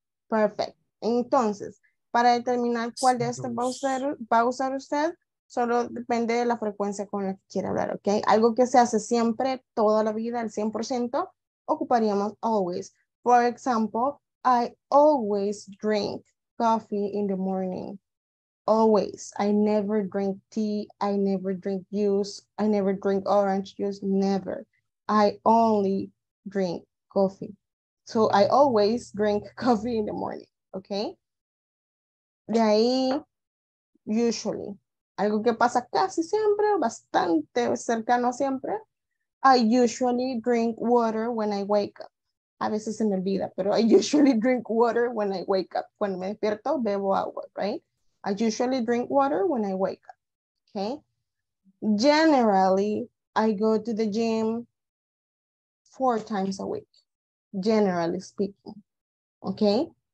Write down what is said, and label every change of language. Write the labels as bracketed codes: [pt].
[es] Perfect. Entonces, para determinar cuál de estos va a usar usted, solo depende de la frecuencia con la que quiera hablar, ¿ok? Algo que se hace siempre, toda la vida, al 100%, ocuparíamos always. [en] For example, I always drink coffee in the morning. Always. I never drink tea. I never drink juice. I never drink orange juice. Never. I only drink coffee. So I always drink coffee in the morning, okay? [es] De ahí, usually. Algo que pasa casi siempre, bastante cercano siempre. [en] I usually drink water when I wake up. [es] A veces se me olvida, pero [en] I usually drink water when I wake up. [es] Cuando me despierto, bebo agua, [en] right? I usually drink water when I wake up, okay? Generally, I go to the gym 4 times a week, generally speaking, okay?